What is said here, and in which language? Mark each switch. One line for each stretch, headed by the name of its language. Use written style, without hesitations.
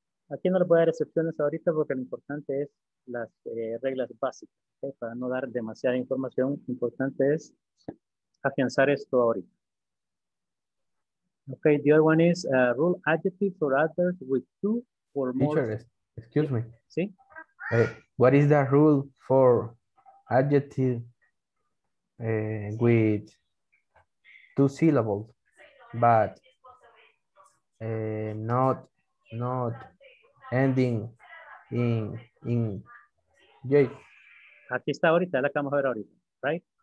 Spanish: Aquí no le voy a dar excepciones ahorita porque lo importante es las reglas básicas, ¿okay? Para no dar demasiada información, lo importante es afianzar esto ahorita.
English: Okay, the other one is rule adjectives or adverbs with two or more. Teacher, excuse me.
Spanish: Sí.
English: What is the rule for adjective with two syllables, but not ending in J?
Spanish: Aquí está ahorita, la que vamos a ver ahorita,
English: right?